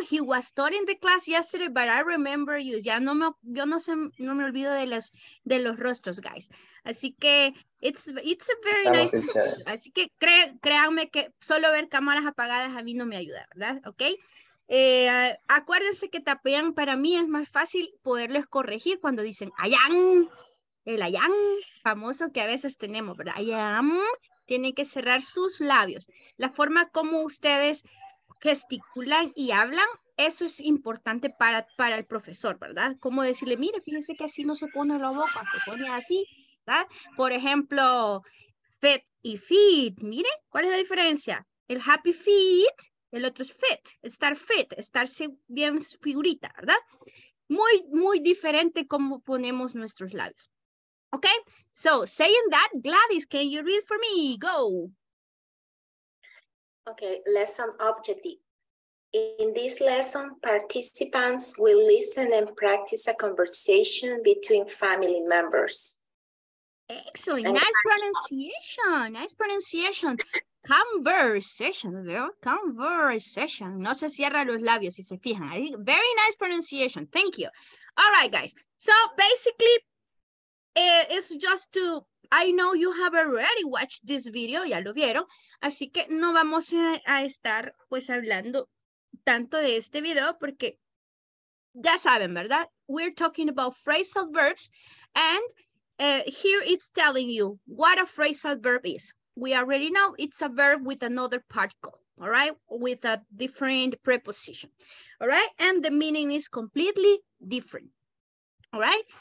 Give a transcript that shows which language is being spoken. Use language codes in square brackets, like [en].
[en] He was taught in the class yesterday, but I remember you. [es] Ya no me, yo no sé, no me olvido de los rostros, guys. Así que [en] it's a very nice to see you. [es] Así que créanme que solo ver cámaras apagadas a mí no me ayuda, ¿verdad? Ok. Acuérdense que tapean para mí es más fácil poderles corregir cuando dicen ayam. El ayam famoso que a veces tenemos, ¿verdad? Ayam. Tienen que cerrar sus labios. La forma como ustedes gesticulan y hablan, eso es importante para el profesor, ¿verdad? Como decirle, mire, fíjense que así no se pone la boca, se pone así, ¿verdad? Por ejemplo, fit y fit, mire, ¿cuál es la diferencia? El happy fit, el otro es fit, estar bien figurita, ¿verdad? Muy, muy diferente cómo ponemos nuestros labios. [en] Okay, so saying that, Gladys, can you read for me? Go. Okay, lesson objective. In this lesson, participants will listen and practice a conversation between family members. Excellent. Nice pronunciation. Conversation, [es] ¿verdad? [en] Conversation. [es] No se cierra los labios si se fijan. [en] I think very nice pronunciation. Thank you. All right, guys. So basically, it's just to, I know you have already watched this video, [es] ya lo vieron. Así que no vamos a estar pues hablando tanto de este video porque ya saben, ¿verdad? [en] We're talking about phrasal verbs and here it's telling you what a phrasal verb is. We already know it's a verb with another particle, all right? With a different preposition, all right? And the meaning is completely different, all right?